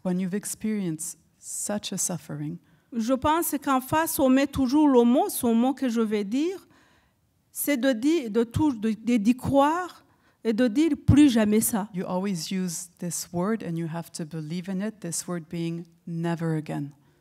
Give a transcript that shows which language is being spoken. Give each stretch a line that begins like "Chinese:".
English: when you've experienced such a suffering,
French: je pense qu'en face, on met toujours le mot, ce mot que je vais dire, c'est d'y croire et de dire plus jamais ça.
English: You always use this word and you have to believe in it, this word being never again.